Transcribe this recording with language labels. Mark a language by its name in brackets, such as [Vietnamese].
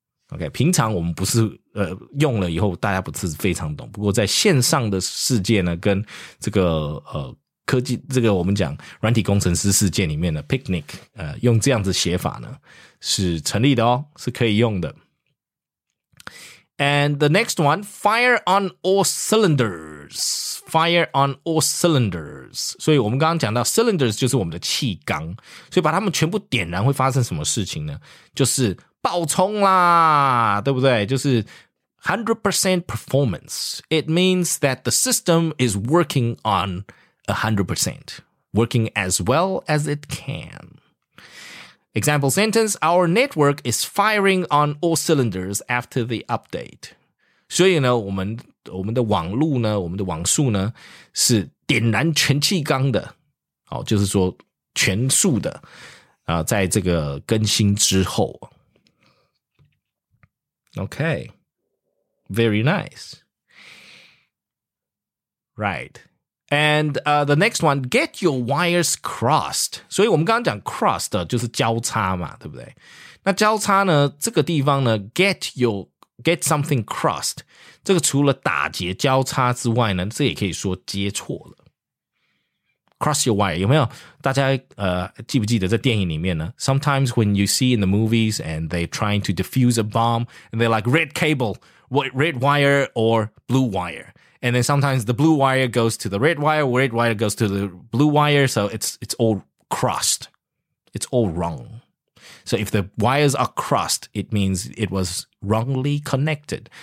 [Chinese] Okay, 平常我们不是用了以后大家不是非常懂，不过在线上的世界呢，跟这个科技，这个我们讲软体工程师世界里面的 picnic, 用这样子写法呢是成立的哦，是可以用的。 [English] And the next one, fire on all cylinders. Fire on all cylinders. [Chinese] 所以我们刚刚讲到 cylinders 就是我们的气缸，所以把它们全部点燃会发生什么事情呢？就是爆冲啦，对不对？就是 [English] 100% performance. It means that the system is working on 100%, working as well as it can. Example sentence, our network is firing on all cylinders after the update. [Chinese] 所以呢，我们的网路呢，我们的网速呢，是点燃全气缸的，哦，就是说全速的，在这个更新之后。 [English] Okay, very nice. Right. And the next one, get your wires crossed. [Chinese] 所以我们刚刚讲 crossed 就是交叉嘛，对不对？那交叉呢，这个地方呢， [English] get something crossed. [Chinese] 这个除了打结交叉之外呢，这也可以说接错了。 [English] Cross your wire, [Chinese] 有没有？大家记不记得在电影里面呢？ [English] Sometimes when you see in the movies and they're trying to defuse a bomb, and they're like red cable, red wire or blue wire. And then sometimes the blue wire goes to the red wire goes to the blue wire, so it's all crossed. It's all wrong. So if the wires are crossed, it means it was wrongly connected.